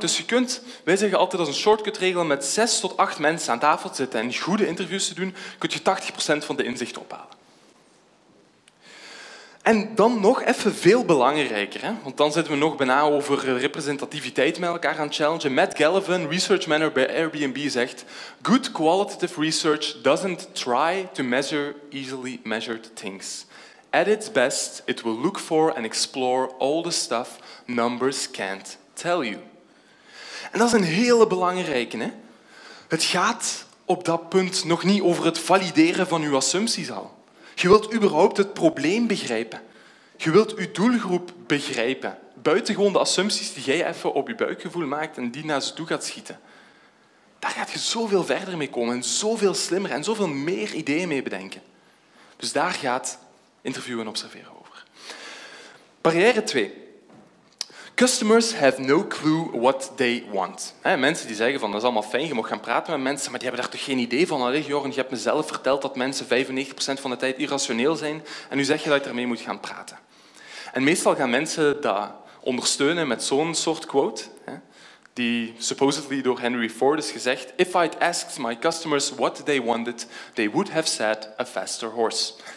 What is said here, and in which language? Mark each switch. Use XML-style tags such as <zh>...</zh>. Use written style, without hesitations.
<nl>Dus je kunt, wij zeggen altijd als een shortcut regelen, met 6 tot 8 mensen aan tafel zitten en goede interviews te doen, kun je 80% van de inzichten ophalen. En dan nog even veel belangrijker, hè? Want dan zitten we nog bijna over representativiteit met elkaar aan challengen.</nl> <en>Matt Gallivan,</en> <nl>research manager bij Airbnb, zegt:</nl> <en>good qualitative research doesn't try to measure easily measured things. At its best, it will look for and explore all the stuff numbers can't tell you.</en> <nl>En dat is een hele belangrijke. Hè? Het gaat op dat punt nog niet over het valideren van uw assumpties al. Je wilt überhaupt het probleem begrijpen. Je wilt uw doelgroep begrijpen. Buitengewoon de assumpties die jij even op je buikgevoel maakt en die naar ze toe gaat schieten. Daar gaat je zoveel verder mee komen en zoveel slimmer en zoveel meer ideeën mee bedenken. Dus daar gaat interviewen en observeren over. Barrière 2.</nl> <en>Customers have no clue what they want.</en> <nl>Mensen die zeggen van dat is allemaal fijn, je mag gaan praten met mensen, maar die hebben daar toch geen idee van. Allee, Jorgen, je hebt mezelf verteld dat mensen 95% van de tijd irrationeel zijn en nu zeg je dat je ermee moet gaan praten. En meestal gaan mensen dat ondersteunen met zo'n soort quote, hè, die supposedly door Henry Ford is gezegd:</nl> <en>"If I'd asked my customers what they wanted, they would have said a faster horse."</en>